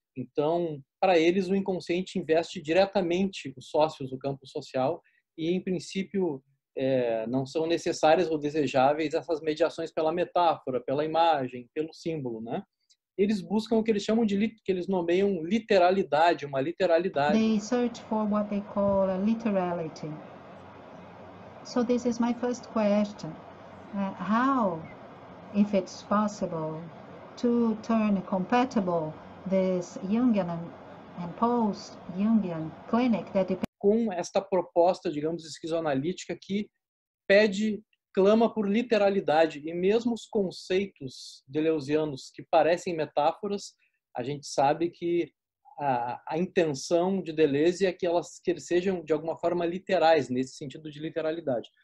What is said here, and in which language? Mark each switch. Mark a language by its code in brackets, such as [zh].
[pt] Então, para eles, o inconsciente investe diretamente os sócios do campo social e, em princípio, não são necessárias ou desejáveis essas mediações pela metáfora, pela imagem, pelo símbolo, né? Eles buscam o que eles chamam de, que eles nomeiam literalidade, uma literalidade. [en] They search for what they call a literality. So this is my first question. How, if it's possible, to turn compatible this Jungian and post-Jungian clinic that depends... [pt] Com esta proposta, digamos, esquizoanalítica que pede... clama por literalidade, e mesmo os conceitos deleuzianos que parecem metáforas, a gente sabe que a intenção de Deleuze é que eles sejam, de alguma forma, literais, nesse sentido de literalidade.